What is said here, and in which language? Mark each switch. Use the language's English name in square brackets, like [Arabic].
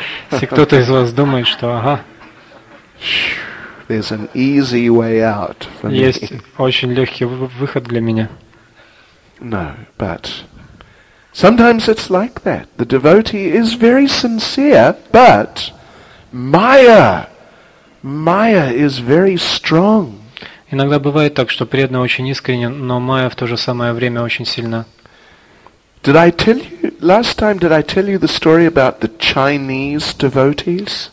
[Russian] Если кто-то из вас думает, что ага. [English] There's an easy way out for me. [Russian] Есть очень легкий выход для меня. [English] No, but sometimes it's like that. The devotee is very sincere, but Maya is very strong. [Russian] Иногда бывает так, что преданный очень искренен, но Майя в то же самое время очень сильна. [English] Did I tell you last time? Did I tell you the story about the Chinese devotees?